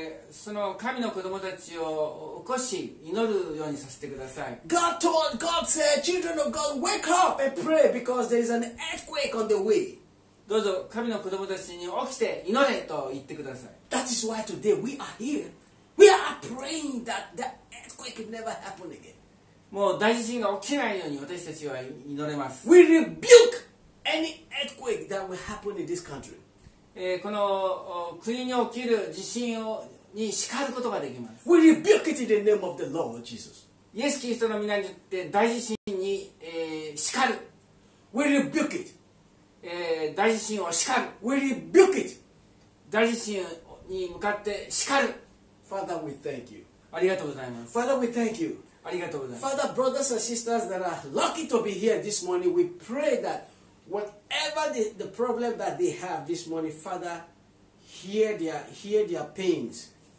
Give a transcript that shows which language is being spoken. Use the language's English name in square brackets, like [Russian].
[Japanese] その神の子供たちを起こし祈るようにさせてください。 [English] God told, God said, children of God, wake up and pray because there is an earthquake on the way. [Japanese] どうぞ神の子供たちに起きて祈れと言ってください。 [English] That is why today we are here. We are praying that the earthquake never happen again. [Japanese] もう大地震が起きないように私たちは祈れます。 [English] We rebuke any earthquake that will happen in this country. [Japanese] この国に起きる地震をに叱ることができます。 [English] We rebuke it in the name of the Lord Jesus. [Japanese] イエス・キリストの名によって大地震に、叱る。 [English] We rebuke it. [Japanese] 大地震を叱る。 [English] We rebuke it. [Japanese] 大地震に向かって叱る。 [English] Father, we thank you. [Japanese] ありがとうございます。 [English] Father, we thank you. [Japanese] ありがとうございます。 [English] Father, brothers and sisters that are lucky to be here this morning, we pray that whatever the problem that they have this morning, Father, hear their pains.